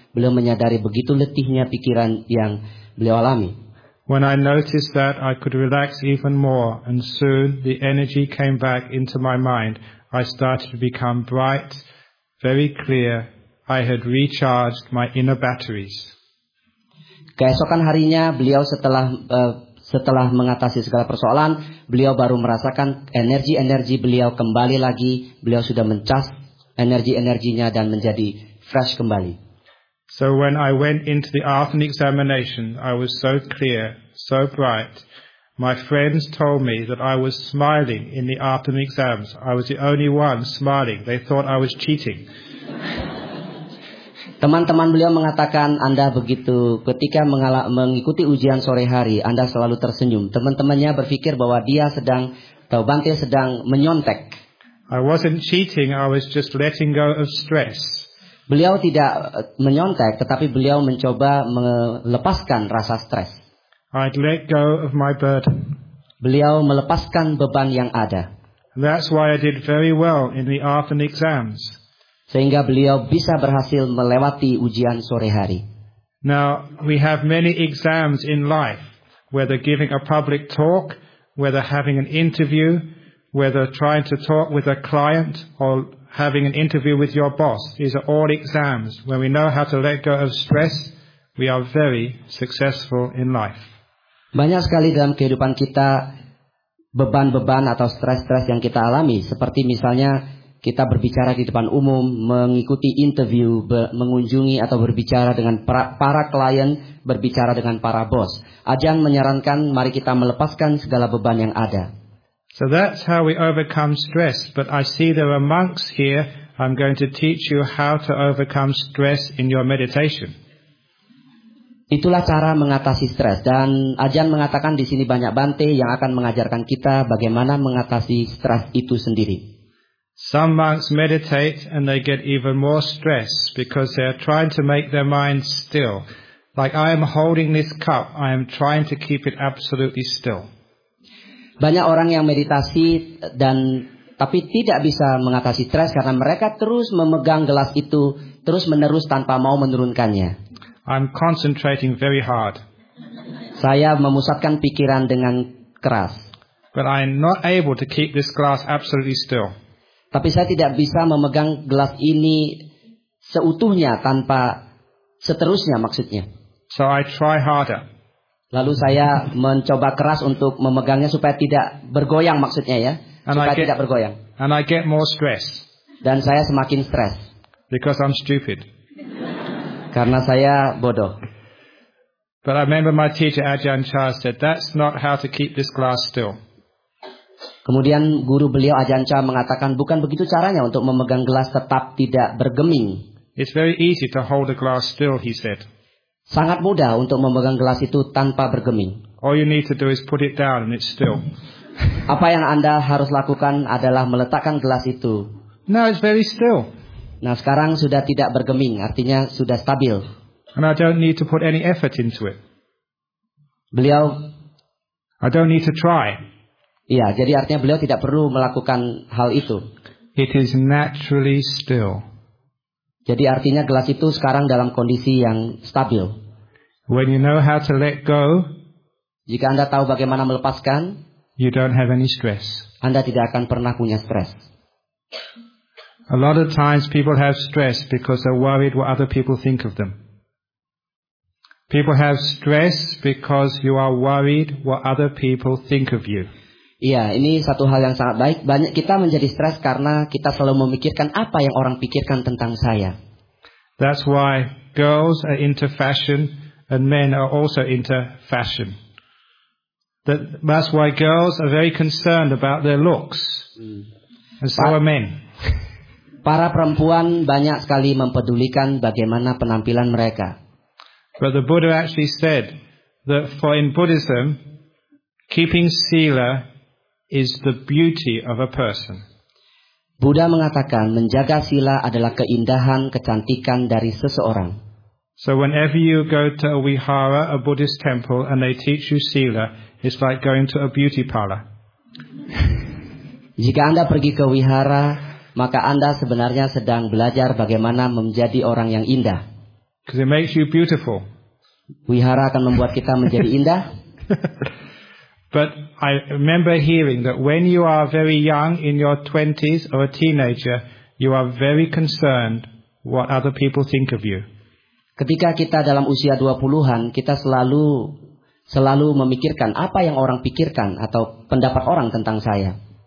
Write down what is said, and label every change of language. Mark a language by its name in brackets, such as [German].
[Indonesian] Beliau menyadari begitu letihnya pikiran yang beliau alami. [English] When I noticed that, I could relax even more, and soon the energy came back into my mind. I started to become bright, very clear. I had recharged my inner batteries. [Indonesian] Keesokan harinya, beliau setelah mengatasi segala persoalan, beliau baru merasakan energi-energi beliau kembali lagi. Beliau sudah mencas energi-energinya dan menjadi fresh kembali. [English] So when I went into the afternoon examination, I was so clear, so bright. My friends told me that I was smiling in the afternoon exams. I was the only one smiling. They thought I was cheating. [Indonesian] Teman-teman beliau mengatakan Anda begitu ketika mengikuti ujian sore hari, Anda selalu tersenyum. Teman-temannya berpikir bahwa dia sedang atau Bante sedang menyontek. [English] I wasn't cheating, I was just letting go of stress. [Indonesian] Beliau tidak menyontek, tetapi beliau mencoba melepaskan rasa stres. [English] I'd let go of my burden. [Indonesian] Beliau melepaskan beban yang ada. [English] And that's why I did very well in the afternoon exams. [Indonesian] Sehingga beliau bisa berhasil melewati ujian sore hari. [English] Now, we have many exams in life, whether giving a public talk, whether having an interview, whether trying to talk with a client, or having an interview with your boss. These are all exams. When we know how to let go of stress, we are very successful in life. [Indonesian] Banyak sekali dalam kehidupan kita beban-beban atau stres-stres yang kita alami, seperti misalnya kita berbicara di depan umum, mengikuti interview, mengunjungi atau berbicara dengan para klien, berbicara dengan para bos. Ajang menyarankan mari kita melepaskan segala beban yang ada. [English] So that's how we overcome stress, but I see there are monks here. I'm going to teach you how to overcome stress in your meditation. [Indonesian] Itulah cara mengatasi stres, dan Ajahn mengatakan di sini banyak Bante yang akan mengajarkan kita bagaimana mengatasi stres itu sendiri. [English] Some monks meditate and they get even more stress because they are trying to make their mind still. Like I am holding this cup, I am trying to keep it absolutely still. [Indonesian] Banyak orang yang meditasi dan tapi tidak bisa mengatasi stres karena mereka terus memegang gelas itu terus menerus tanpa mau menurunkannya. [English] I'm concentrating very hard. [Indonesian] Saya memusatkan pikiran dengan keras. [English] But I'm not able to keep this glass absolutely still. [Indonesian] Tapi saya tidak bisa memegang gelas ini seutuhnya tanpa seterusnya maksudnya. [English] So I try harder. [Indonesian] Lalu saya mencoba keras untuk memegangnya supaya tidak bergoyang maksudnya ya. [English] And I get more stress. [Indonesian] Dan saya semakin stres. [English] Because I'm stupid. [Indonesian] Karena saya bodoh. [English] But I remember my teacher Ajahn Chah said, that's not how to keep this glass still. [Indonesian] Kemudian guru beliau Ajahn Chah mengatakan, bukan begitu caranya untuk memegang gelas tetap tidak bergeming. [English] It's very easy to hold a glass still, he said. [Indonesian] Sangat mudah untuk memegang gelas itu tanpa bergeming. [English] All you need to do is put it down and it's still. [Indonesian] Apa yang Anda harus lakukan adalah meletakkan gelas itu. [English] Now it's very still. [Indonesian] Nah, sekarang sudah tidak bergeming, artinya sudah stabil. [English] And I don't need to put any effort into it. [Indonesian] Beliau, [English] I don't need to try. [Indonesian] Iya, jadi artinya beliau tidak perlu melakukan hal itu. [English] It is naturally still. [Indonesian] Jadi artinya gelas itu sekarang dalam kondisi yang stabil. [English] When you know how to let go, [Indonesian] jika Anda tahu bagaimana melepaskan, [English] you don't have any stress. [Indonesian] Anda tidak akan pernah punya stres. [English] A lot of times people have stress because they're worried what other people think of them. People have stress because you are worried what other people think of you. [Indonesian] Iya, ini satu hal yang sangat baik. Banyak kita menjadi stres karena kita selalu memikirkan apa yang orang pikirkan tentang saya. [English] That's why girls are into fashion and men are also into fashion. That's why girls are very concerned about their looks. And so are men. [Indonesian] Para perempuan banyak sekali mempedulikan bagaimana penampilan mereka. [English] But the Buddha actually said that for in Buddhism, keeping sila is the beauty of a person. [Indonesian] Buddha mengatakan menjaga sila adalah keindahan, kecantikan dari seseorang. [English] So whenever you go to a vihara, a Buddhist temple, and they teach you sila, it's like going to a beauty parlor. [Indonesian] Jika Anda pergi ke vihara, maka Anda sebenarnya sedang belajar bagaimana menjadi orang yang indah. [English] Because it makes you beautiful. [Indonesian] Wihara akan membuat kita menjadi indah. [English] But I remember hearing that when you are very young in your 20s or a teenager, you are very concerned what other people think of you. [Indonesian] Ketika kita dalam usia 20-an, kita selalu memikirkan apa yang orang pikirkan atau pendapat orang tentang saya.